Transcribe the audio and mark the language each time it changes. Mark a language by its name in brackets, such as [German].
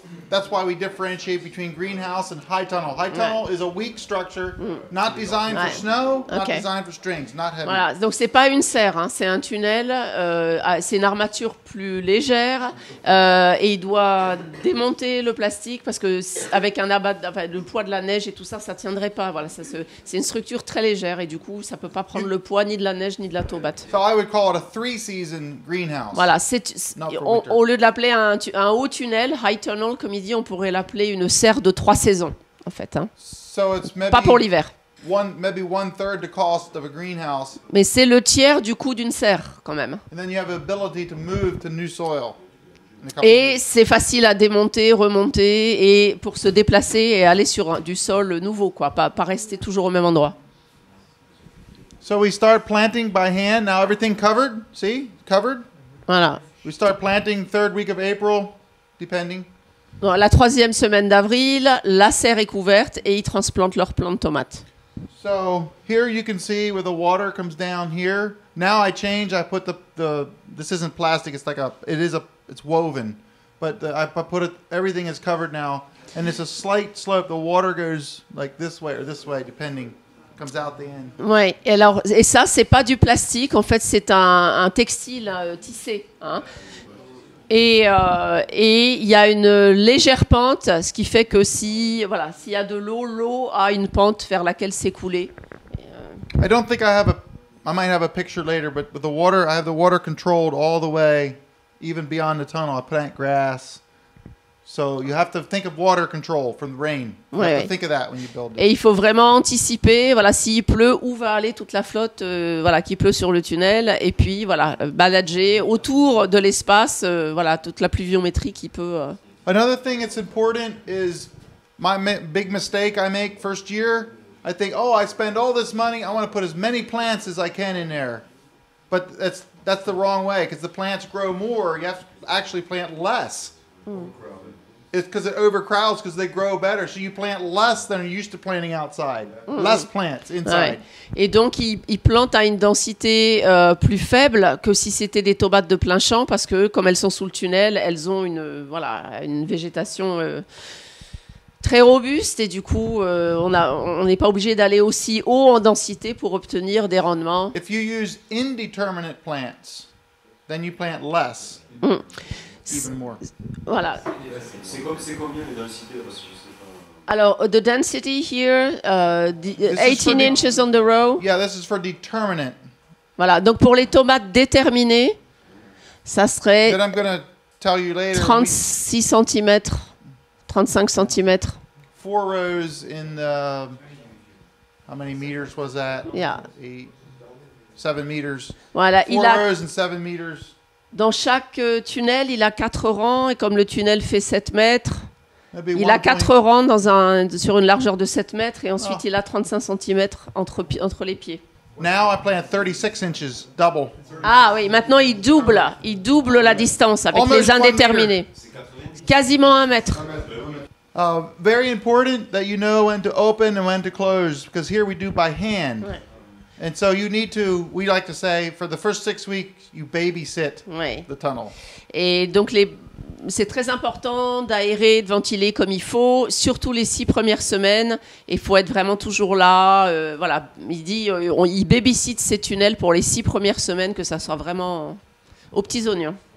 [English] That's why we differentiate between greenhouse and high tunnel. High tunnel is a weak structure, not designed for snow, not designed for strings, not heavy. [French] Voilà, donc c'est pas une serre, hein. C'est un tunnel, c'est une armature plus légère, et il doit démonter le plastique parce que avec un abat, enfin, le poids de la neige et tout ça, ça tiendrait pas. Voilà, c'est une structure très légère et du coup, ça peut pas prendre le poids ni de la neige ni de la tomate. [English] So I would call it a three-season greenhouse. [French] Voilà, au lieu de l'appeler un haut tunnel, high tunnel, comme il dit, on pourrait l'appeler une serre de trois saisons, en fait. Hein. [English] So it's maybe [French] pas pour l'hiver. [English] Maybe one third the cost of a greenhouse. [French] Mais c'est le tiers du coût d'une serre, quand même. [English] And then you have the ability to move to new soil. [French] Et c'est facile à démonter, remonter, et pour se déplacer et aller sur du sol nouveau, quoi, pas rester toujours au même endroit. [English] So we start planting by hand. Now everything covered. See? Covered. [French] Voilà. [English] We start planting third week of April, depending. [French] Bon, la troisième semaine d'avril, la serre est couverte et ils transplantent leurs plants de tomates. [English] So here you can see where the water comes down here. Now I change. I put the this isn't plastic. It's like a it is a it's woven, but I put it. Everything is covered now, and it's a slight slope. The water goes like this way, depending. [French] Ouais. Alors, et ça, c'est pas du plastique. En fait, c'est un textile tissé. Hein. Et il y a une légère pente, ce qui fait que si voilà, s'il y a de l'eau, l'eau a une pente vers laquelle s'écouler. [English] I don't think I might have a picture later, but the water, I have the water controlled all the way, even beyond the tunnel. I plant grass. So you have to think of water control from the rain. You have to think of that when you build it. [French] Et il faut vraiment anticiper, voilà, s'il pleut, où va aller toute la flotte, voilà, qui pleut sur le tunnel, et puis voilà, balader autour de l'espace, voilà, toute la pluviométrie qui peut. [English] Another thing that's important is my big mistake I make first year. I think, oh, I spend all this money, I want to put as many plants as I can in there, but that's the wrong way, because the plants grow more. You have to actually plant less. It's because it overcrowds because they grow better. So you plant less than you're used to planting outside. Less plants inside. [French] Ouais. Et donc, il plante à une densité plus faible que si c'était des tomates de plein champ parce que comme elles sont sous le tunnel, elles ont une, voilà, une végétation très robuste et du coup, on n'est pas obligé d'aller aussi haut en densité pour obtenir des rendements. [English] If you use indeterminate plants, then you plant less. [French] Voilà. C'est combien les densités? Alors, [English] the density here, 18 inches on the row. Yeah, this is for determinant. [French] Voilà, donc pour les tomates déterminées, ça serait [English] that I'm gonna tell you later, [French] 36 cm, 35 cm. [English] Four rows in the, how many meters was that? Yeah. 7 meters. [French] Voilà, [English] four rows and 7 meters. [French] Dans chaque tunnel, il a 4 rangs, et comme le tunnel fait 7 mètres, il a 4 rangs dans sur une largeur de 7 mètres, et ensuite il a 35 cm entre les pieds. [English] Now I plant 36 inches, double. [French] Ah oui, maintenant il double la distance avec les indéterminés. Quasiment 1 mètre. [English] Very important that you know when to open and when to close, because here we do by hand. [French] Ouais. [English] And so you need to, we like to say, for the first 6 weeks, you babysit the tunnel. [French] Et donc c'est très important d'aérer, de ventiler comme il faut, surtout les 6 premières semaines. Il faut être vraiment toujours là. Voilà, il babysit ces tunnels pour les 6 premières semaines, que ça soit vraiment aux petits oignons.